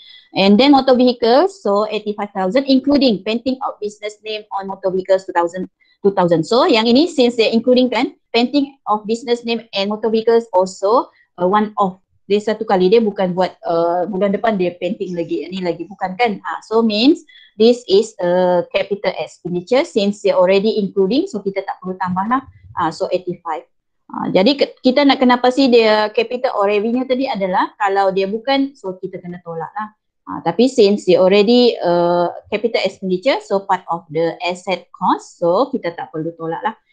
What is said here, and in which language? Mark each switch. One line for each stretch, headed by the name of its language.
English: And then motor vehicles, so 85,000 including painting of business name on motor vehicles 2,000. So
Malay: yang ini
English: since they including kan painting of business name and motor vehicles also one off.
Malay: Dia satu kali, dia bukan buat bulan depan dia painting lagi, ini lagi bukan kan.
English: So means this is a capital expenditure since they already including, so
Malay: kita tak perlu tambah lah. So 85. Jadi kita nak kenapa sih dia
English: capital or revenue
Malay: tadi adalah kalau dia bukan, so kita kena tolak lah.
English: Tapi since dia already capital expenditure, so part of the asset cost, so
Malay: kita tak perlu tolak lah.